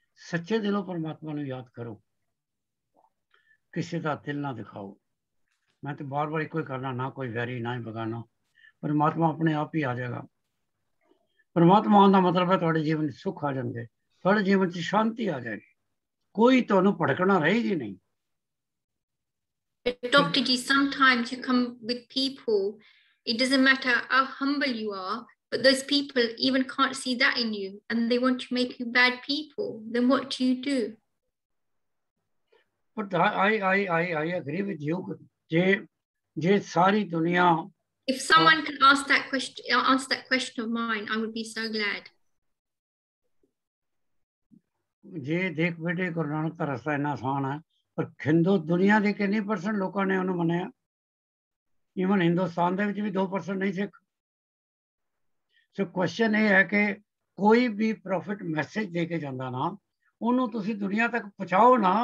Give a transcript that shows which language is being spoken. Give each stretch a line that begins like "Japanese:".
Punjabi: ਸੱਚੇ ਦਿਲੋਂ ਪਰਮਾਤਮਾ ਨੂੰ ਯਾਦ ਕਰੋ, ਕਿਸੇ ਦਾ ਦਿਲ ਨਾ ਦਿਖਾਓ। ਮੈਂ ਤਾਂ ਵਾਰ ਵਾਰ ਇੱਕੋ ਹੀ ਕਰਨਾ, ਨਾ ਕੋਈ ਵੈਰੀ, ਨਾ ਹੀ ਬਗਾਨਾ, ਪਰਮਾਤਮਾ ਆਪਣੇ ਆਪ ਹੀ ਆ ਜਾਏਗਾ। ਪਰਮਾਤਮਾ ਆਉਣ ਦਾ ਮਤਲਬ ਹੈ ਤੁਹਾਡੇ ਜੀਵਨ 'ਚ ਸੁੱਖ ਆ ਜਾਂਦੇ, ਤੁਹਾਡੇ ਜੀਵਨ 'ਚ ਸ਼ਾਂਤੀ ਆ ਜਾਏਗੀ, ਕੋਈ ਤੁਹਾਨੂੰ ਭਟਕਣਾ ਰਹੇਗੀ ਨਹੀਂ। Dr.
English: Ji, sometimes you come with people, it doesn't matter how humble you are, but those people even can't see that in you and they want to make you bad people. Then what do you do? But I agree with you.
Punjabi: Je sari duniya,
English: if someone can ask that question, answer that question of mine, I would be so glad.
Hindi: Je dekh bete Guru Nanak ka rasta itna aasan hai,
Punjabi: ਪਰ ਹਿੰਦੂ ਦੁਨੀਆਂ ਦੇ ਕਿੰਨੇ percent ਲੋਕਾਂ ਨੇ ਉਹਨੂੰ ਮੰਨਿਆ? Even Hindustan ਦੇ ਵਿੱਚ ਵੀ 2% ਨਹੀਂ ਸਿੱਖ। ਸੋ ਕੁਸ਼ਚਨ ਇਹ ਹੈ ਕਿ ਕੋਈ ਵੀ ਪ੍ਰੋਫਿਟ ਮੈਸੇਜ ਦੇ ਕੇ ਜਾਂਦਾ ਨਾ, ਉਹਨੂੰ ਤੁਸੀਂ ਦੁਨੀਆਂ ਤੱਕ ਪਹੁੰਚਾਓ ਨਾ।